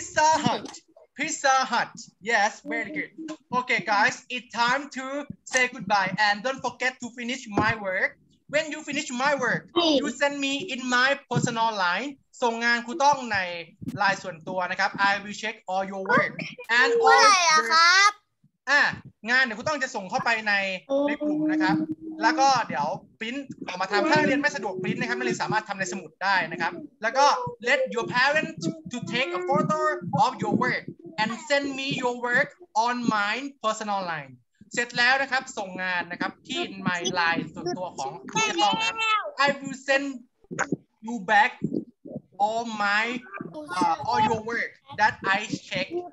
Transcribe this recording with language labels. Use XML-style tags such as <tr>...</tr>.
<th>ซซ่าฮัทPizza Hut.</th> <en>Yes, very good. Okay, guys, it's time to say goodbye. And don't forget to finish my work. When you finish my work, you send me in my personal line.</en> <th>ส่งงานคุณต้องในลายส่วนตัวนะครับ.</th> <en>I will check all your work. And all your...</en> <th>ไม่ได้อะครับ. งานเดี๋ยวคุณต้องจะส่งเข้าไปในกลุ่มนะครับ.แล้วก็เดี๋ยวพิมพ์ออกมาทำ. ถ้าเรียนไม่สะดวกพิมพ์นะครับ. ไม่เรียนสามารถทำในสมุดได้นะครับ. แล้วก็</th> <en>let your parents to take a photo of your work. And send me your work on my personal line.</en> <th>เสร็จแล้วนะครับส่งงานนะครับที่</th> <en>my line</en> <th>ส่วนตัวของพี่ต้องครับ</th> <en>I will send you back all my all your work that I check.</en>